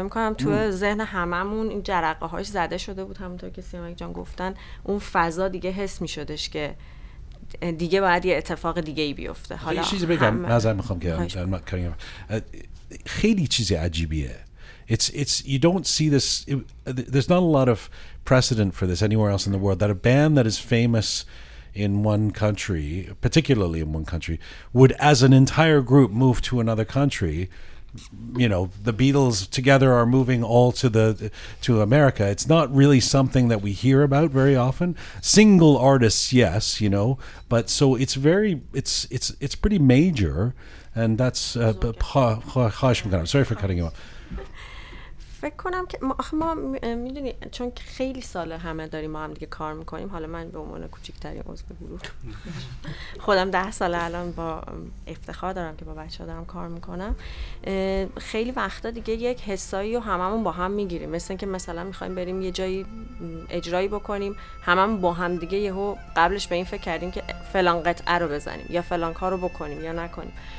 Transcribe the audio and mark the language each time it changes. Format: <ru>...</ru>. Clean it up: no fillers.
<fa>فهم کنم تو ذهن هممون این جرقه هاش زده شده بود، همونطور که سیامک جان گفتن اون فضا دیگه حس می شدش که دیگه باید یه اتفاق دیگه ای بیفته. حالا یه چیزی بگم نظر میخوام که خیلی چیزی عجیبیه.</fa> <en>It's you don't see this. There's not a lot of precedent for this anywhere else in the world, that a band that is famous in one country, particularly in one country, would as an entire group move to another country. You know, the Beatles together are moving all to America. It's not really something that we hear about very often. Single artists, yes, you know, but so it's very it's pretty major, and that's sorry for cutting you off.</en> <fa>فکر کنم که ما میدونی چون که خیلی ساله همه داریم ما هم دیگه کار میکنیم، حالا من به عنوان کوچکترین عضو گروه خودم 10 ساله الان با افتخار دارم که با بچه ها دارم کار میکنم، خیلی وقتا دیگه یک حسایی رو هممون با هم میگیریم، مثل اینکه مثلا میخوایم بریم یه جایی اجرایی بکنیم، هممون با هم دیگه یهو قبلش به این فکر کردیم که فلان قطعه رو بزنیم یا فلان کارو بکنیم یا نکنیم.</fa>